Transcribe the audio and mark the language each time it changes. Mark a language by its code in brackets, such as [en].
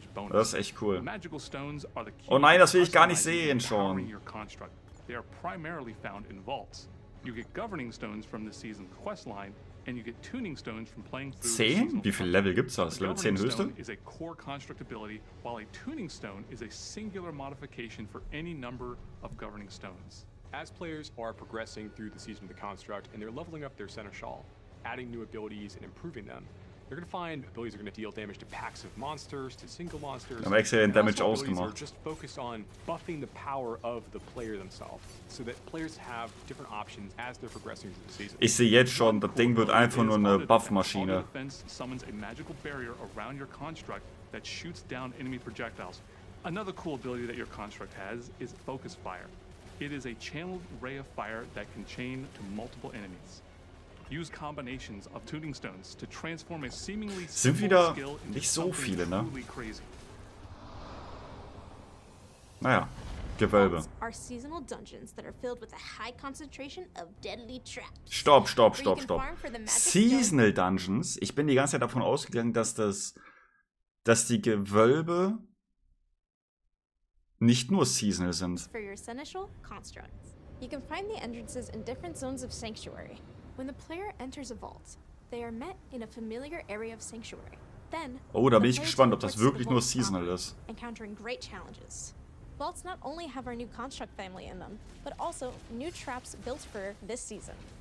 [de] Das ist echt cool. Oh nein, das will ich gar nicht sehen, Sean. [en] They are primarily found in vaults. You get governing stones from the season questline. And you get tuning stones from playing through 10? [de] Wie viele Level gibt's das? Level 10 höchste? [en] Is a core construct ability, while a tuning stone is a singular modification for any number of governing stones. As players are progressing through the season of the construct and they're leveling up their seneschal, adding new abilities and improving them, they're gonna find abilities are gonna deal damage to packs of monsters, to single monsters. [de] Am exzellent damage ausgemacht. [en] Just focus on buffing the power of the player themselves, so that players have different options as they're progressing through the season. [de] Ich sehe jetzt schon, das Ding wird einfach nur eine Buffmaschine. [en] Summons a magical barrier around your construct that shoots down enemy projectiles. Another cool ability that your construct has is focus fire. It is a channeled ray of fire that can chain to multiple enemies. Use combinations of tuning stones to transform a seemingly simple skill into something truly crazy. [de] Naja, Gewölbe. [en] Are seasonal dungeons that are filled with a high concentration of deadly traps. [de] Stopp. Seasonal Dungeons? Ich bin die ganze Zeit davon ausgegangen, dass das, dass die Gewölbe nicht nur seasonal sind. [en] For your seneschal constructs, you can find the entrances in different zones of sanctuary. When the player enters a vault, they are met in a familiar area of sanctuary. Then, oh, [de] da bin ich gespannt, ob das wirklich nur seasonal ist. [en] Encountering great challenges. Vaults not only have our new construct family in them, but also new traps built for this season.